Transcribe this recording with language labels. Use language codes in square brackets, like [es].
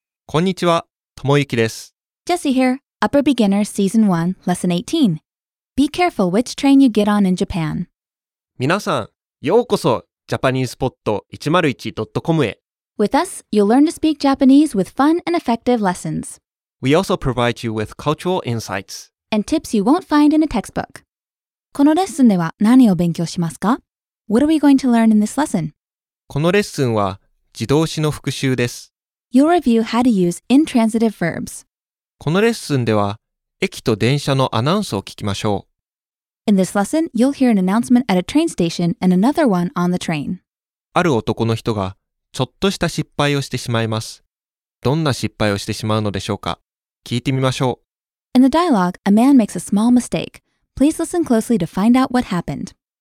[ja] こんにちは、ともゆきです。 [en] Jesse here, Upper Beginner Season 1, Lesson 18. Be careful which train you get on in Japan. [ja] 皆さん、ようこそ japanesepot101.com へ。 [en] With us, you'll learn to speak Japanese with fun and effective lessons. We also provide you with cultural insights. And tips you won't find in a textbook. [ja] このレッスンでは何を勉強しますか? [en] What are we going to learn in this lesson? [ja] このレッスンは自動詞の復習です。 [en] You'll review how to use intransitive verbs. [ja] このレッスンでは駅と電車のアナウンスを聞きましょう。 [en] In this lesson, you'll hear an announcement at a train station and another one on the train. [ja] ある男の人がちょっとした失敗をしてしまいます。どんな失敗をしてしまうのでしょうか。聞いてみましょう。 [en] In the dialogue, a man makes a small mistake. Please listen closely to find out what happened.